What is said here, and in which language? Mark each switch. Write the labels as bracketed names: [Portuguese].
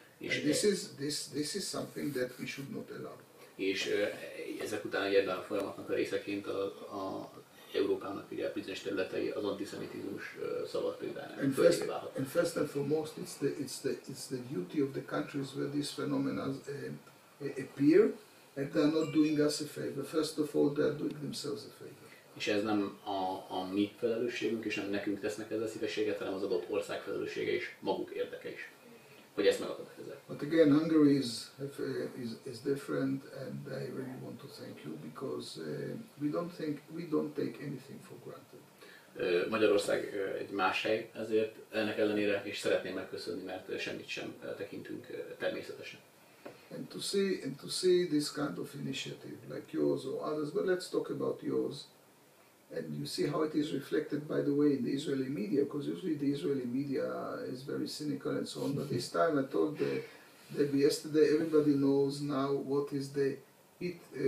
[Hungarian] És [English] this is something that we should not allow. [Hungarian] És ezek után ebben a folyamatnak a részeként a Európának ugye bizonyos területei az antiszemitizmus szavat például fölhívhat. [English] And first and foremost, it's the duty of the countries where these phenomena appear, and they are not doing us a favor. First of all, they are doing themselves a favor. [Hungarian] És ez nem a mi felelősségünk, és nem nekünk tesznek ezzel szívességet, hanem az adott ország felelőssége és maguk érdeke is, hogy ezt megakadályozzák. [English] But again, Hungary is different, and I really want to thank you because we don't take anything for granted. [Hungarian] Magyarország egy más hely, ezért ennek ellenére is szeretném megköszönni, mert semmit sem tekintünk természetesen. [English] And to see this kind of initiative like yours or others, but let's talk about yours, and you see how it is reflected, by the way, in the Israeli media, because usually the Israeli media is very cynical and so on, but this time I told that yesterday everybody knows now what is the it